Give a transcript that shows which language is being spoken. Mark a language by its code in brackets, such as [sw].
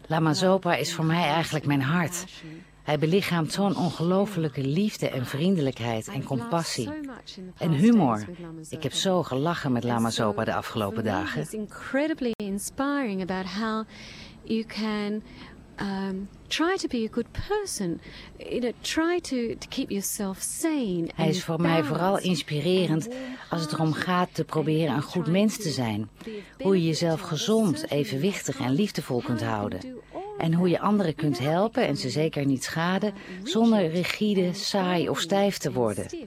[nl] Lamazopa is voor mij eigenlijk mijn hart. Hij belichaamt zo'n ongelofelijke liefde en vriendelijkheid en compassie. En humor. Ik heb zo gelachen met Lamazopa de afgelopen dagen. [en] It's incredibly inspiring about how you can try to be a good person, you know, try to keep yourself sane. [nl] Hij is voor mij vooral inspirerend als het erom gaat te proberen een goed mens te zijn. Hoe je jezelf gezond, evenwichtig en liefdevol kunt houden. En hoe je anderen kunt helpen en ze zeker niet schaden zonder rigide, saai of stijf te worden.